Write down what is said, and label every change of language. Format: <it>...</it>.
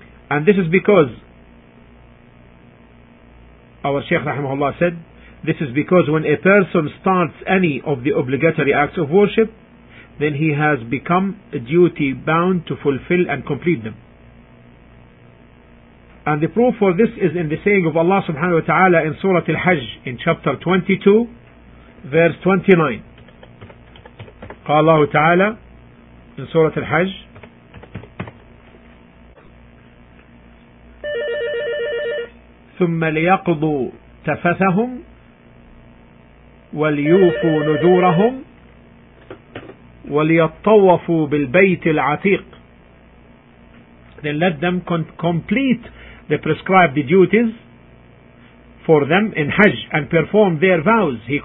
<en>And this is because our Shaykh rahimahullah said, this is because when a person starts any of the obligatory acts of worship, then he has become duty bound to fulfill and complete them. And the proof for this is in the saying of Allah subhanahu wa ta'ala in Surah Al-Hajj in chapter 22, verse 29.</en> <ar>قال الله تعالى</ar> <en>in Surah Al-Hajj,</en> <ar>ثم ليقضوا تفثهم وليوفوا نذورهم وليطوفوا بالبيت العتيق.</ar> <en>Then let them complete the prescribed duties for them in Hajj and perform their vows.</en>